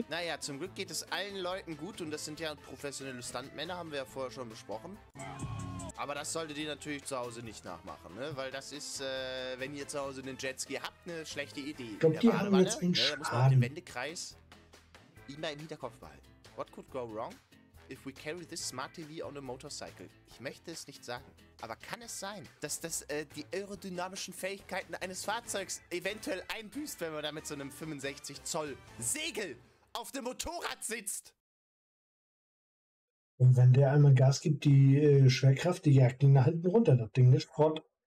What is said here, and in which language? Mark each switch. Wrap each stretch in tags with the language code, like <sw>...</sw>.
<de>Naja, zum Glück geht es allen Leuten gut und das sind ja professionelle Stuntmänner, haben wir ja vorher schon besprochen. Aber das solltet ihr natürlich zu Hause nicht nachmachen, ne? Weil das ist, wenn ihr zu Hause einen Jetski habt, eine schlechte Idee. Ich glaube, die haben jetzt einen Schaden. Da muss man den Wendekreis immer im Hinterkopf behalten.</de> <en>What could go wrong if we carry this smart TV on a motorcycle?</en> <de>Ich möchte es nicht sagen. Aber kann es sein, dass das die aerodynamischen Fähigkeiten eines Fahrzeugs eventuell einbüßt, wenn man da mit so einem 65 Zoll Segel auf dem Motorrad sitzt? Und wenn der einmal Gas gibt, die Schwerkraft, die jagt ihn nach hinten runter, das Ding ist Schrott.</de>